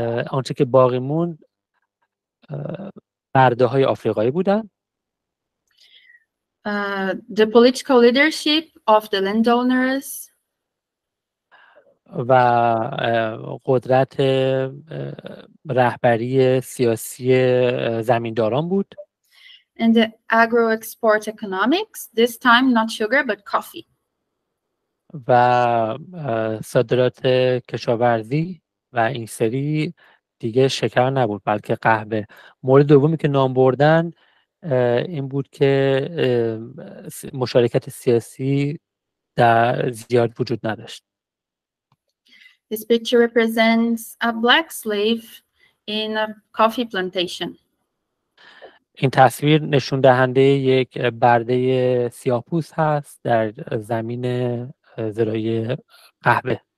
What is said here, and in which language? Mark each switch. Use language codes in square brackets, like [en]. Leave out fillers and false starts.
[fa] آنچه که باقی موند برده های آفریقایی بودن. [en] The political leadership of the landowners. [fa] و قدرت رهبری سیاسی زمینداران بود. [en] And the agro-export economics, this time not sugar but coffee. [fa] و صادرات کشاورزی و این سری دیگه شکر نبود بلکه قهوه. مورد دومی که نام بردن این بود که مشارکت سیاسی در زیاد وجود نداشت. [en] This picture represents a black slave in a coffee plantation. [fa] این تصویر نشون دهنده یک برده سیاه‌پوست هست در زمین زراعی قهوه.